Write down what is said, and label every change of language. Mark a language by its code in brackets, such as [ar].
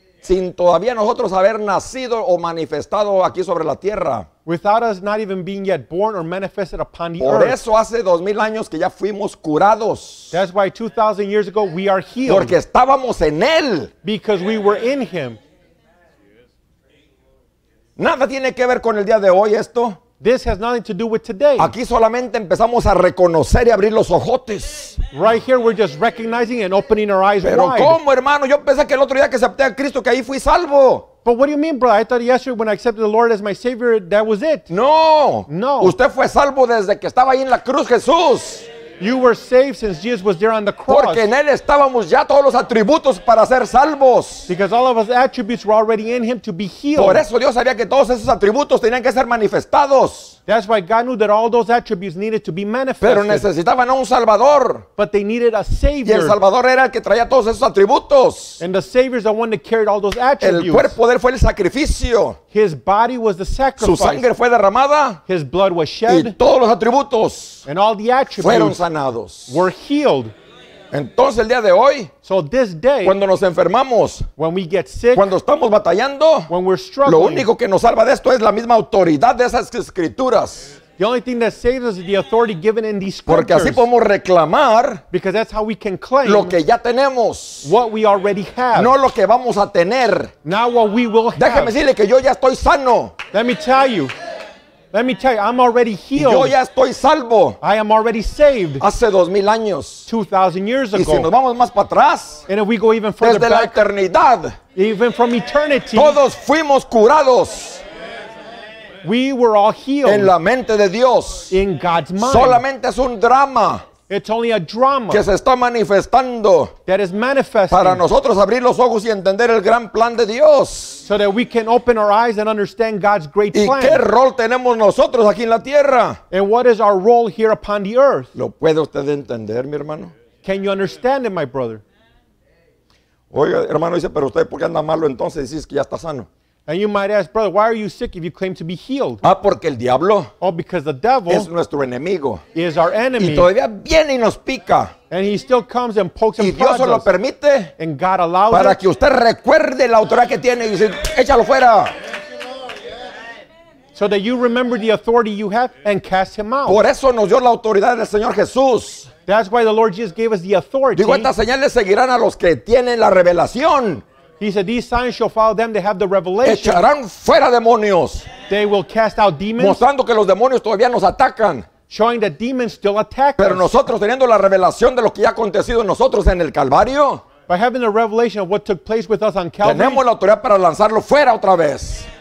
[es] Sin todavía nosotros haber nacido o manifestado aquí sobre la tierra. [en] Without us not even being yet born or manifested upon the [es] por [en] earth. [es] Por eso hace 2,000 años que ya fuimos curados. [en] That's why 2,000 years ago we are healed. [es] Porque estábamos en él. [en] Because we were in him. [es] Nada tiene que ver con el día de hoy esto. [en] This has nothing to do with today. [es] Aquí solamente empezamos a reconocer y abrir los ojotes. [en] Right here we're just recognizing and opening our eyes [es] Pero [en] wide. [es] Pero cómo, hermano, yo pensé que el otro día que acepté a Cristo que ahí fui salvo. [en] But what do you mean, brother? I thought yesterday when I accepted the Lord as my Savior, that was it. [es] No. [en] No. [es] Usted fue salvo desde que estaba ahí en la cruz, Jesús. [en] You were saved since Jesus was there on the cross. [es] Porque en él estábamos ya todos los atributos para ser salvos. [en] Because all of his attributes were already in him to be healed. [es] Por eso Dios sabía que todos esos atributos tenían que ser manifestados. [en] That's why God knew that all those attributes needed to be manifested. [es] Pero necesitaban a un Salvador. [en] But they needed a Savior. [es] Y el Salvador era el que traía todos esos atributos. [en] And the Savior is the one that carried all those attributes. [es] El cuerpo de él fue el sacrificio. [en] His body was the sacrifice. [es] Su sangre fue derramada. [en] His blood was shed. [es] Y todos los atributos. [en] And all the attributes. [es] Fueron sanados. [en] Were healed. [es] Entonces el día de hoy, [en] so this day, [es] cuando nos enfermamos, [en] when we get sick, [es] cuando estamos batallando, [en] when we're struggling, [es] lo único que nos salva de esto es la misma autoridad de esas escrituras. [en] The only thing that saves us is the authority given in these scriptures. [es] Porque así podemos reclamar, [en] because that's how we can claim, [es] lo que ya tenemos, [en] what we already have, [es] no lo que vamos a tener, [en] not what we will have. [es] Déjeme decirle que yo ya estoy sano. [en] Let me tell you, I'm already healed. [es] Yo ya estoy salvo. [en] I am already saved. [es] Hace 2,000 años. [en] 2,000 years ago. [es] Y si nos vamos más para atrás, [en] and if we go even further [es] desde [en] back, [es] la eternidad, [en] even from eternity, [es] todos fuimos curados. [en] We were all healed. [es] En la mente de Dios. [en] In God's mind. [es] Solamente es un drama. [en] It's only a drama. [es] Que se está manifestando. [en] That is manifesting. [es] Para nosotros abrir los ojos y entender el gran plan de Dios. [en] So that we can open our eyes and understand God's great [es] ¿Y [en] plan. [es] ¿Y qué rol tenemos nosotros aquí en la tierra? [en] And what is our role here upon the earth? [es] ¿Lo puede usted entender, mi hermano? [en] Can you understand it, my brother? [es] Oiga, hermano, dice, pero usted, ¿por qué anda malo entonces? Dices que ya está sano. [en] And you might ask, brother, why are you sick if you claim to be healed? [es] Ah, porque el diablo. [en] Oh, because the devil [es] es nuestro enemigo. [en] Is our enemy. [es] Y todavía viene y nos pica. [en] And he still comes and pokes [es] y [en] and [es] Dios lo permite. [en] And God allows [es] para [en] it. [es] Para que usted recuerde la autoridad que tiene y dice, échalo fuera. [en] So that you remember the authority you have and cast him out. [es] Por eso nos dio la autoridad del Señor Jesús. [en] That's why the Lord Jesus gave us the authority. [es] Digo, estas señales seguirán a los que tienen la revelación. [en] He said, these signs shall follow them that have the revelation. [es] Echarán fuera demonios. [en] They will cast out demons. [es] Mostrando que los demonios todavía nos atacan. [en] Showing that demons still attack [es] pero [en] us. [es] Nosotros teniendo la revelación de lo que ya ha acontecido en nosotros en el Calvario. [en] By having the revelation of what took place with us on Calvary. [es] Tenemos la autoridad para lanzarlo fuera otra vez.